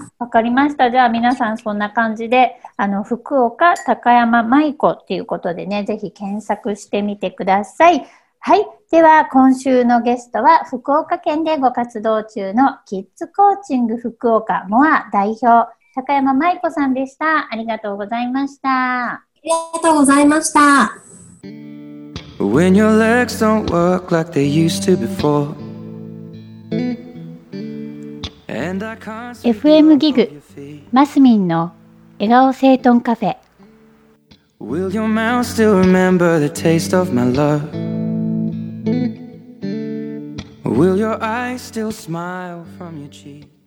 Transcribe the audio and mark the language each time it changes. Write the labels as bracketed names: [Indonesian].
[Japanese] わかりました。じゃあ皆さんそんな感じで福岡高山舞子っていうことでね、ぜひ検索してみてください。はい、では今週のゲストは福岡県でご活動中のキッズコーチング福岡モア代表高山舞子さんでした。ありがとうございました。ありがとうございました。 [English] When your legs don't work like they used to before [Japanese] FM ギグマスミンの笑顔整頓カフェ。 [English] Will your mouth still remember the taste of my love? Will your eyes still smile from your cheek?